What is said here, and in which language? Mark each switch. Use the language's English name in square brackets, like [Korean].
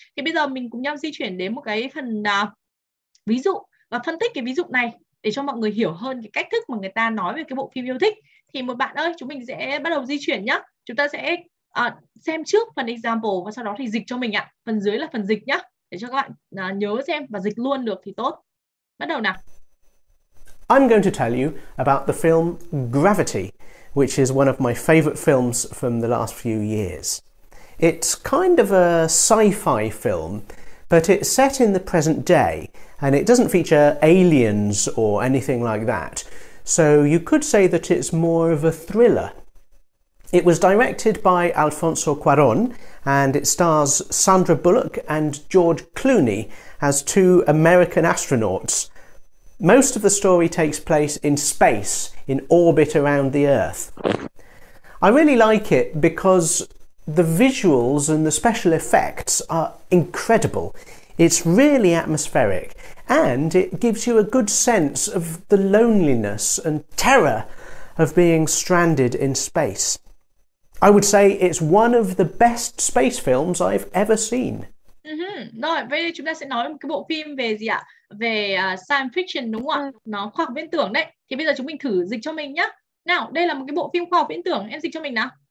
[Vietnamese] Thì bây giờ mình cùng nhau di chuyển đến một cái phần ví dụ và phân tích cái ví dụ này để cho mọi người hiểu hơn cái cách thức mà người ta nói về cái bộ phim yêu thích. Thì một bạn ơi, chúng mình sẽ bắt đầu di chuyển nhá. Chúng ta sẽ xem trước phần example và sau đó thì dịch cho mình ạ. Phần dưới là phần dịch nhá, để cho các bạn nhớ xem và dịch luôn được thì tốt. Bắt đầu nào. [English] I'm going to tell you about the film Gravity, which is one of my favorite films from the last few years. It's kind of a sci-fi film, but it's set in the present day, and it doesn't feature aliens or anything like that. So you could say that it's more of a thriller. It was directed by Alfonso Cuarón, and it stars Sandra Bullock and George Clooney as two American astronauts. Most of the story takes place in space, in orbit around the Earth. I really like it because the visuals and the special effects are incredible. It's really atmospheric, and it gives you a good sense of the loneliness and terror of being stranded in space. I would say it's one of the best space films I've ever seen. [Vietnamese] Rồi, bây giờ chúng ta sẽ nói một cái bộ phim về gì ạ? Về science fiction, đúng không ạ? Nó khoa học viễn tưởng đấy. Thì bây giờ chúng mình thử dịch cho mình nhá. Nào, đây là một cái bộ phim khoa học viễn tưởng. Em dịch cho mình nào.